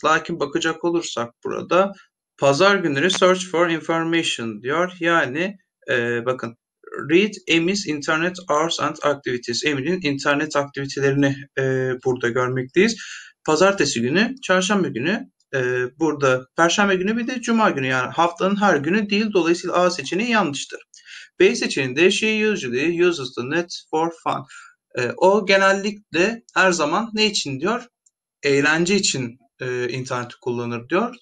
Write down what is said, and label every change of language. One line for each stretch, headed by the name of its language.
Turkish: Lakin bakacak olursak burada pazar günleri
English: search for information
Turkish: diyor. Yani bakın
English: read Amy's internet hours and activities.
Turkish: Amy'nin internet aktivitelerini burada görmekteyiz. Pazartesi günü, çarşamba günü, burada perşembe günü bir de cuma günü yani haftanın her günü değil. Dolayısıyla A seçeneği yanlıştır. B seçeneğinde
English: she usually uses the net for fun.
Turkish: O genellikle her zaman ne için diyor? Eğlence için interneti kullanır diyor.